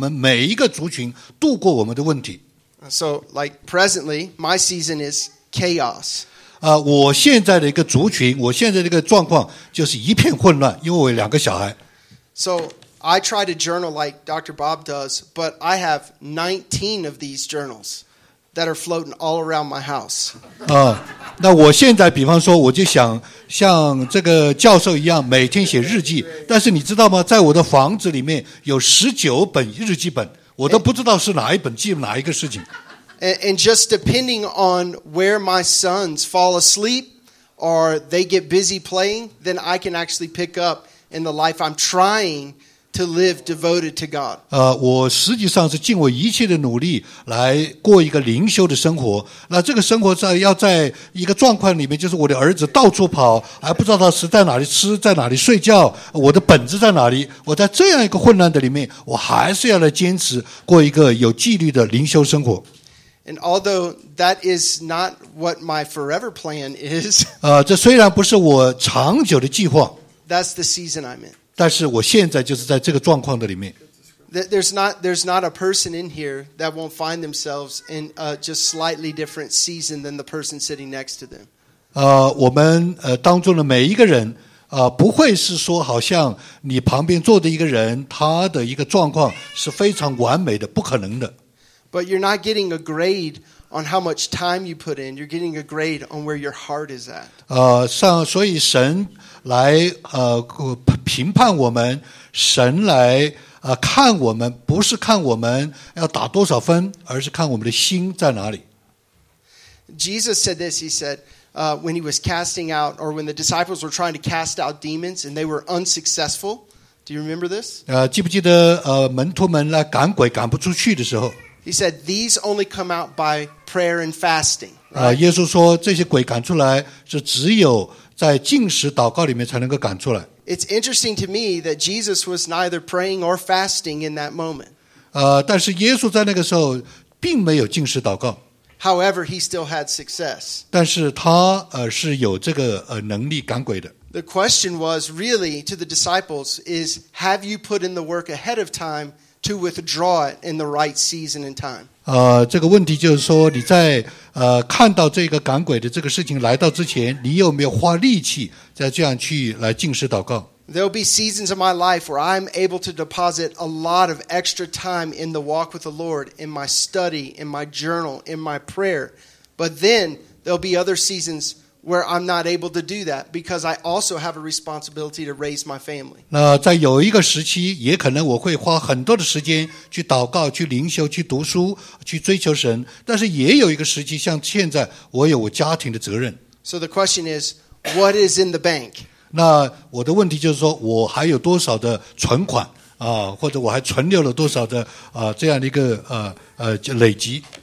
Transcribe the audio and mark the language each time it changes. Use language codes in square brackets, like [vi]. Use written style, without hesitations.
[zh] 所以我们不能是说你是这一个群体的，所以你就追求，你就有这样的原因、那样的问题，你是那个族群的，就是怎么样？我们所侍奉的神是够大的，他的恩典，他知道每一个人的情形，他可以帮助我们每一个族群度过我们的问题。So [en] like presently, my season is chaos. [zh] 我现在的一个族群，我现在这个状况就是一片混乱，因为我有两个小孩。So [en] I try to journal like Dr. Bob does, but I have 19 of these journals that are floating all around my house. [zh] 那我现在比方说，我就想像这个教授一样，每天写日记。但是你知道吗？在我的房子里面有19本日记本，我都不知道是哪一本记哪一个事情。 [en] And just depending on where my sons fall asleep or they get busy playing, then I can actually pick up in the life I'm trying to live devoted to God. [zh] 我实际上是尽我一切的努力来过一个灵修的生活。那这个生活在要在一个状况里面，就是我的儿子到处跑，还不知道他是在哪里吃，在哪里睡觉，我的本子在哪里。我在这样一个混乱的里面，我还是要来坚持过一个有纪律的灵修生活。 [en] And although that is not what my forever plan is, [zh] 这虽然不是我长久的计划。 [en] That's the season I'm in. [zh] 但是我现在就是在这个状况的里面。 [en] There's not a person in here that won't find themselves in a just slightly different season than the person sitting next to them. [zh] 我们当中的每一个人不会是说好像你旁边坐的一个人他的一个状况是非常完美的，不可能的。 [en] But you're not getting a grade on how much time you put in. You're getting a grade on where your heart is at. [zh] 所以神来评判我们，神来看我们，不是看我们要打多少分，而是看我们的心在哪里。 [en] Jesus said this. He said, when he was casting out, or when the disciples were trying to cast out demons and they were unsuccessful. Do you remember this? [zh] 记不记得门徒们来赶鬼赶不出去的时候 [en] ？He said, these only come out by prayer and fasting. [zh] 耶稣说这些鬼赶出来是只有。在禁食祷告里面才能够赶出来。 [en] It's interesting to me that Jesus was neither praying or fasting in that moment. [zh] 但是耶稣在那个时候并没有禁食祷告。 [en] However, he still had success. [zh] 但是他是有这个能力赶鬼的。 [en] The question was really to the disciples is, have you put in the work ahead of time to withdraw it in the right season and time? [zh] 这个问题就是说你在看到这个赶鬼的这个事情来到之前你有没有花力气再这样去来禁食祷告 [en] There'll be seasons of my life where I'm able to deposit a lot of extra time in the walk with the Lord, in my study, in my journal, in my prayer. But then there'll be other seasons where I'm not able to do that because I also have a responsibility to raise my family. [zh] 那在有一个时期也可能我会花很多的时间去祷告去灵修去读书去追求神但是也有一个时期像现在我有我家庭的责任。 [en] So the question is, what is in the bank? [zh] 那我的问题就是说我还有多少的存款或者我还存留了多少的这样的一个累积。